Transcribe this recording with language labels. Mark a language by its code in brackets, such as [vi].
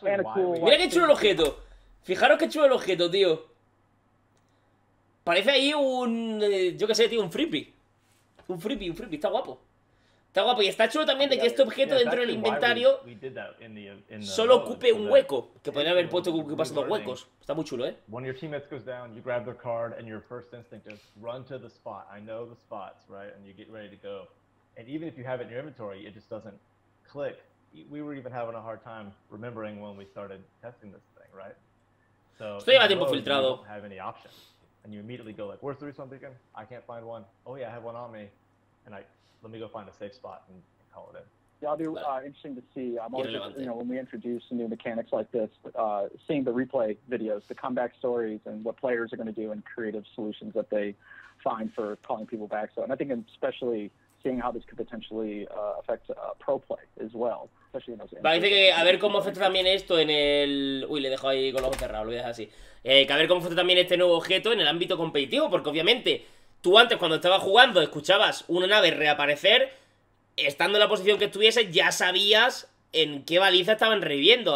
[es] Mira qué chulo el objeto. Fijaros qué chulo el objeto, tío. Parece ahí un, yo qué sé, tío, un frippy. Un frippy, está guapo. Está guapo, y está chulo también de que este objeto dentro del inventario solo ocupe un hueco, que podría haber puesto que ocupase 2 huecos. Está muy chulo, ¿eh? [en] When your teammates goes down, you grab their card and your first instinct is run to the spot. I know the spots, right? And you get ready to go. And even if you have it in your inventory, it just doesn't click. We were even having a hard time remembering when we started testing this thing, right? [es] So, lleva tiempo filtrado. [en] You don't have any options. And you immediately go like, where's the respawn beacon? I can't find one. Oh yeah, I have one on me. And I let me go find a safe spot and call it in. Yeah, I'll be interesting to see. I'm always, you know, when we introduce new mechanics like this, seeing the replay videos, the comeback stories, and what players are going to do and creative solutions that they find for calling people back. So, and I think especially seeing how this could potentially affect pro play as well. [es] Parece que a ver cómo afecta también esto en el... Uy, le dejo ahí con los ojos cerrados, lo voy a dejar así. Que a ver cómo afecta también este nuevo objeto en el ámbito competitivo, porque obviamente tú antes cuando estabas jugando escuchabas una nave reaparecer, estando en la posición que estuviese ya sabías en qué baliza estaban reviviendo.